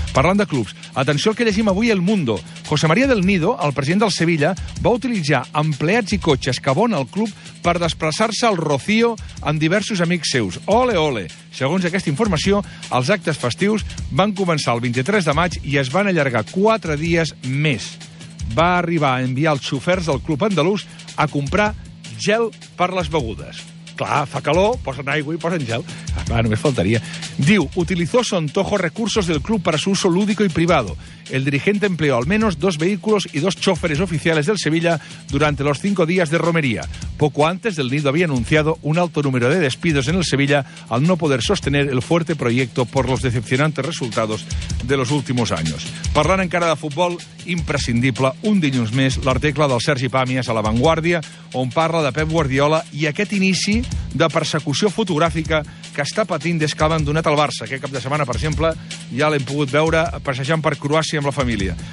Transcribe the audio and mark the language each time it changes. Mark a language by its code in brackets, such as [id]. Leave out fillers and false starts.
[ca] Parlant de clubs, atenció al que llegim avui El Mundo. José María del Nido, el president del Sevilla, va utilitzar empleats i cotxes que abona el club per desplaçar-se al Rocío amb diversos amics seus. Ole, ole! Segons aquesta informació, els actes festius van començar el 23 de maig i es van allargar 4 dies més. Va arribar a enviar els xofers del club andalús a comprar gel per les begudes. clar, fa calor, posen aigua i posen gel. Clar, només faltaria. [es] Diu, utilizó su antojo recursos del club para su uso lúdico y privado. El dirigente empleó al menos 2 vehículos y 2 choferes oficiales del Sevilla durante los 5 días de romería. Poco antes, el Nido había anunciado un alto número de despidos en el Sevilla al no poder sostener el fuerte proyecto por los decepcionantes resultados de los últimos años. [ca] Parlant encara de futbol, imprescindible, un dilluns més, l'article del Sergi Pàmies a La Vanguardia, on parla de Pep Guardiola i aquest inici de persecució fotogràfica que està patint des que ha abandonat el Barça. Aquest cap de setmana, per exemple, ja l'hem pogut veure passejant per Croàcia amb la família.